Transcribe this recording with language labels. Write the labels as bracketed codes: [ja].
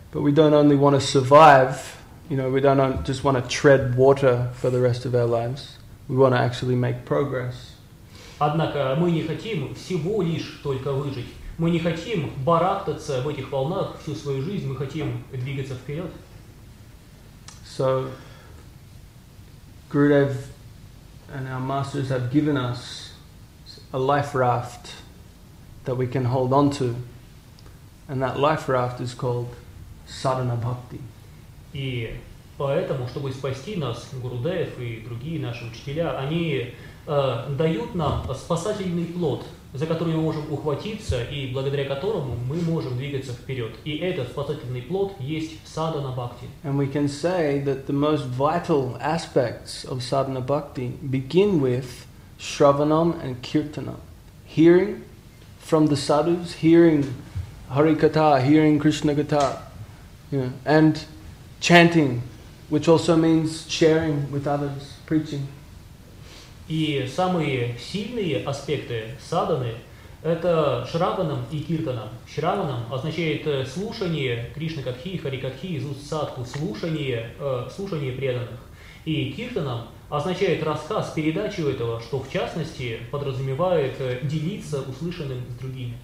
[en] But we don't only want to survive, you know, we don't just want to tread water for the rest of our lives. We want to actually make progress. [ru] Однако мы не хотим всего лишь только выжить. Мы не хотим барахтаться в этих волнах всю свою жизнь. Мы хотим двигаться вперед. [en] So Gurudev and our masters have given us a life raft that we can hold on to, and that life raft is called sadhana bhakti. [ru] И поэтому, чтобы спасти нас, Гурудев и другие наши учителя, они дают нам спасательный плот, за который мы можем ухватиться и благодаря которому мы можем двигаться вперед. И этот спасательный плот есть садхана бхакти. [en] And we can say that the most vital aspects of sadhana bhakti begin with shravanam and kirtanam, hearing from the sadhus, hearing harikatha, hearing krishna katha, and chanting, which also means sharing with others, preaching. [ru] И самые сильные аспекты садханы – это шраванам и киртанам. Шраванам означает слушание Кришны Катхи, Хари Катхи, из уст садху, слушание преданных. И киртанам означает рассказ, передачу этого, что в частности подразумевает делиться услышанным с другими.